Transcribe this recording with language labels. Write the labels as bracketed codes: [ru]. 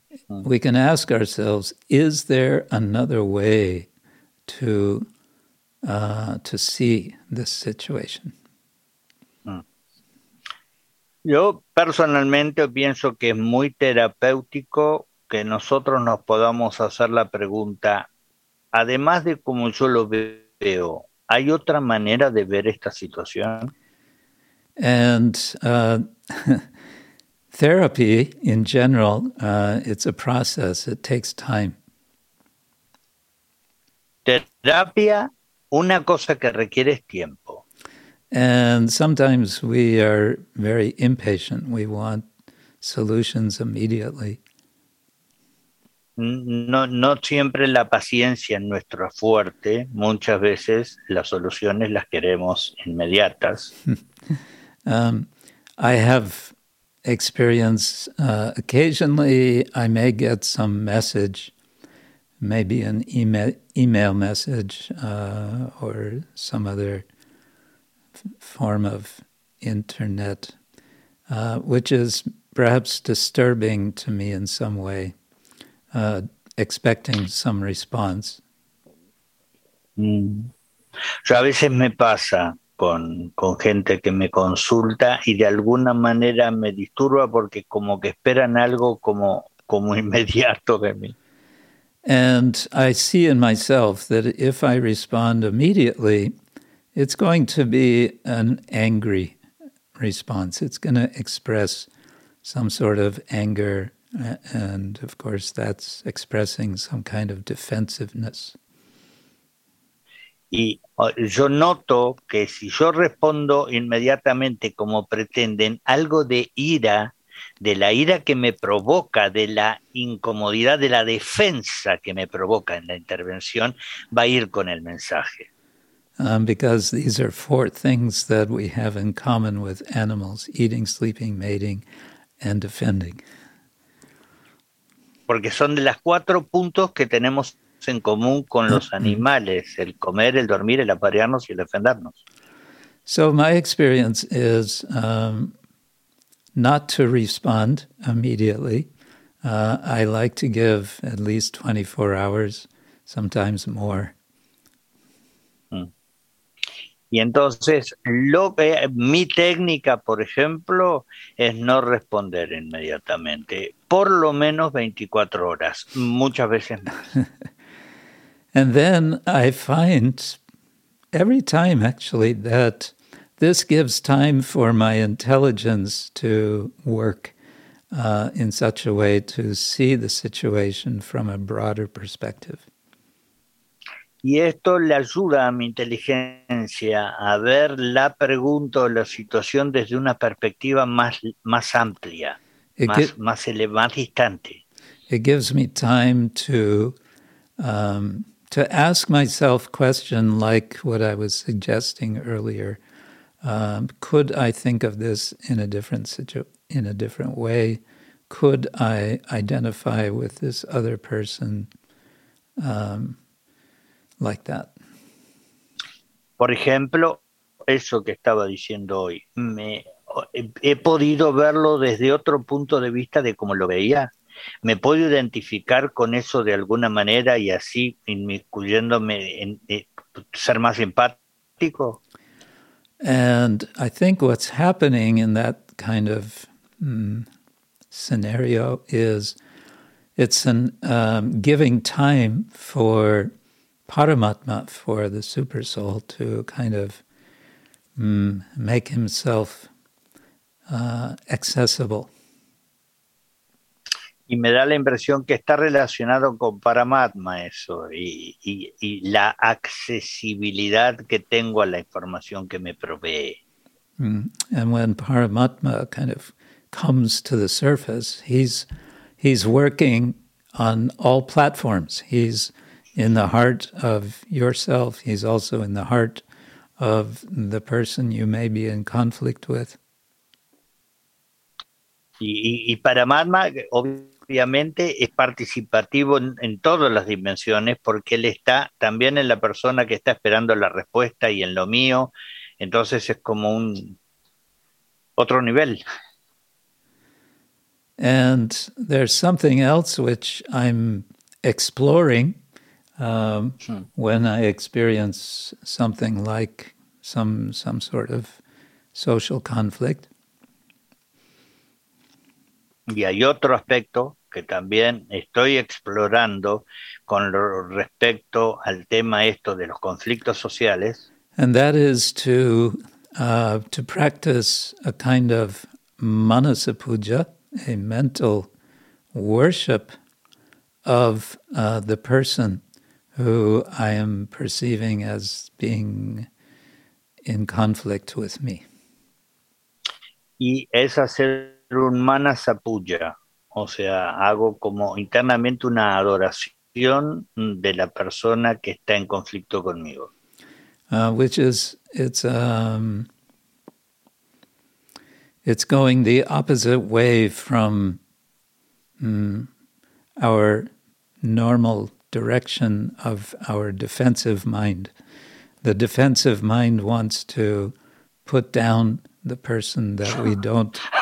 [en] We can ask ourselves, is there another way to see this situation? [es] Yo personalmente pienso que es muy terapéutico que nosotros nos podamos hacer la pregunta, además de como yo lo veo, ¿hay otra manera de ver esta situación? [en] And therapy, in general, it's a process, it takes time. [es] Terapia, una cosa que requiere es tiempo. [en] And sometimes we are very impatient, we want solutions immediately. [es] No siempre la paciencia es nuestro fuerte, muchas veces las soluciones las queremos inmediatas. [en] I have experience occasionally I may get some message, maybe an email message or some other form of internet, which is perhaps disturbing to me in some way, expecting some response. [es] Yo a veces me pasa con gente que me consulta y de alguna manera me disturba porque como que esperan algo como inmediato de mí. [en] And I see in myself that if I respond immediately, it's going to be an angry response. It's going to express some sort of anger, and of course that's expressing some kind of defensiveness. [es] Y yo noto que si yo respondo inmediatamente como pretenden, algo de ira, de la ira que me provoca, de la incomodidad, de la defensa que me provoca en la intervención, va a ir con el mensaje. [en] Because these are four things that we have in common with animals: eating, sleeping, mating, and defending. [es] Porque son de las cuatro puntos que tenemos en común con los animales: el comer, el dormir, el aparearnos y el defendernos. [en] So my experience is not to respond immediately. I like to give at least 24 hours, sometimes more. [es] Y entonces, mi técnica, por ejemplo, es no responder inmediatamente, por lo menos 24 horas, muchas veces más. [en] And then I find, every time actually, that this gives time for my intelligence to work in such a way to see the situation from a broader perspective. [es] Y esto le ayuda a mi inteligencia a ver la pregunta o la situación desde una perspectiva más amplia, más distante. [en] It gives me time to ask myself question like what I was suggesting earlier. Could I think of this in a different way? Could I identify with this other person? Like that. [es] Por ejemplo, eso que estaba diciendo hoy, he podido verlo desde otro punto de vista de cómo lo veía. Me puedo identificar con eso de alguna manera y así inmiscuyéndome ser más empático. [en] And I think what's happening in that kind of scenario is it's an giving time for Paramatma, for the super soul to kind of make himself accessible. [es] Y me da la impresión que está relacionado con Paramatma eso, y la accesibilidad que tengo a la información que me provee. [en] And when Paramatma kind of comes to the surface, he's working on all platforms. He's in the heart of yourself, he's also in the heart of the person you may be in conflict with. [es] Y Paramatma, obviamente, es participativo en todas las dimensiones porque él está también en la persona que está esperando la respuesta y en lo mío. Entonces es como un otro nivel. [en] And there's something else which I'm exploring. When I experience something like some sort of social conflict. [es] Y hay otro aspecto que también estoy explorando con respecto al tema esto de los conflictos sociales. [en] And that is to practice a kind of manasapuja, a mental worship of the person who I am perceiving as being in conflict with me. [es] Y es hacer un manasapuja, o sea, hago como internamente una adoración de la persona que está en conflicto conmigo. [en] Which is, it's going the opposite way from our normal direction of our defensive mind. The defensive mind wants to put down the person that we don't